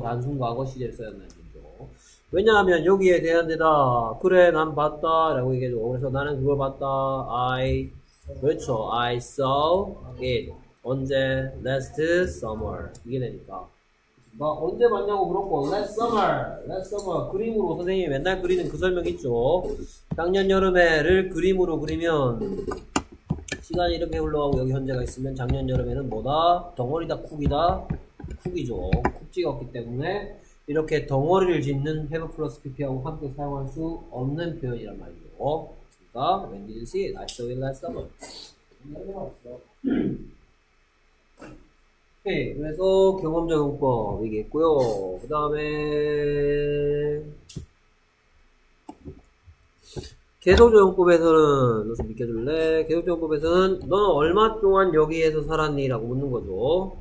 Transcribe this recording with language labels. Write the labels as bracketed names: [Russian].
[Korean] 단순 과거 시제를 써야 하는 거죠. 왜냐하면 여기에 대한 대답 그래 난 봤다 라고 얘기해줘 그래서 나는 그걸 봤다 I 그렇죠 [English] I saw it [Korean] 언제 [English] last summer [Korean] 이게 되니까 나 언제 봤냐고 물었고 last summer 그림으로 선생님이 맨날 그리는 그 설명 있죠 작년 여름에를 그림으로 그리면 시간이 이렇게 흘러가고 여기 현재가 있으면 작년 여름에는 뭐다 덩어리다 쿡이다 쿡이죠 쿡 찍었기 때문에 이렇게 덩어리를 짓는 [English] have plus pp [Korean] 하고 함께 사용할 수 없는 표현이란 말이죠. 어? [English] 그러니까 when did you see it? I saw it last summer. [Korean] 오케이, 그래서 경험적 용법이겠고요. 그 다음에 계속적용법에서는 너좀 믿겨줄래? 계속적용법에서는 너는 얼마 동안 여기에서 살았니라고 묻는 거죠.